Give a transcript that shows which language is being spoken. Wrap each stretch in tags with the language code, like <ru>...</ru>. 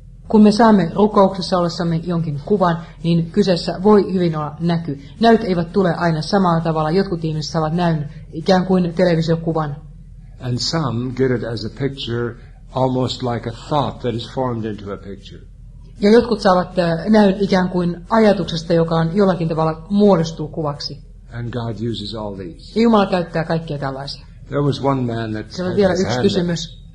<fi>Kun me saamme rukouksessa ollessamme jonkin kuvan, niin kyseessä voi hyvin olla näky. Näyt eivät tule aina samalla tavalla. Jotkut ihmiset saavat näyn ikään kuin televisiokuvan.</fi> <en>And some get it as a picture, almost like a thought that is formed into a picture.</en> <fi>Ja jotkut saavat näyn ikään kuin ajatuksesta, joka on jollakin tavalla muodostuu kuvaksi.</fi> <en>And God uses all these.</en> <fi>Ja Jumala käyttää kaikkia tällaisia.</fi> <en>There was one man that</en> <fi>siellä on vielä yksi kysymys.</fi>